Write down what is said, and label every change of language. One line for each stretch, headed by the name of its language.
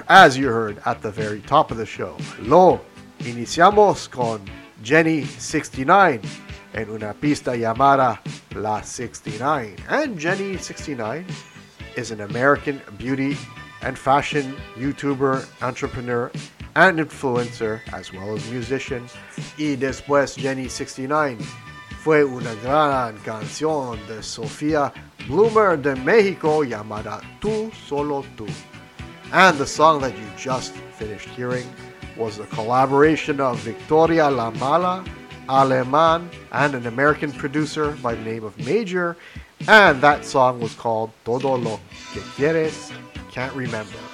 English: As you heard at the very top of the show,
Spanish: lo iniciamos con Jenny 69 en una pista llamada La 69.
English: And Jenny 69 is an American beauty and fashion YouTuber, entrepreneur, and influencer, as well as musician.
Spanish: Y después Jenny 69 fue una gran canción de Sofía Bloomer de México llamada Tú Solo Tú.
English: And the song that you just finished hearing was a collaboration of Victoria La Mala, Alemán, and an American producer by the name of Major, and that song was called Todo Lo Que Quieres, Can't Remember.